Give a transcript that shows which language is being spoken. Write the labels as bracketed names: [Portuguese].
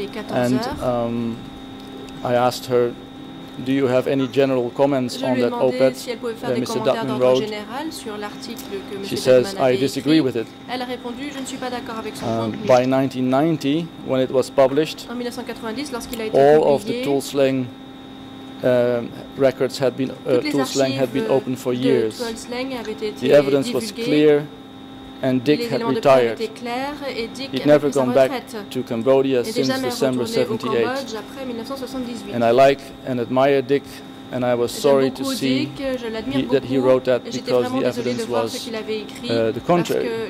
[English] And I asked her, do you have any general comments on that op-ed that Mr. Dudman wrote? She says, I disagree with it. [French] Elle a répondu, je ne suis pas d'accord avec son [English] By 1990, when it was published, all of the tool slang records had been, tool slang had been open for years. The evidence was clear and Dick had retired. He'd never gone back to Cambodia since December 78. And I like and admire Dick, and I was sorry to see that he wrote that because the evidence was the contrary.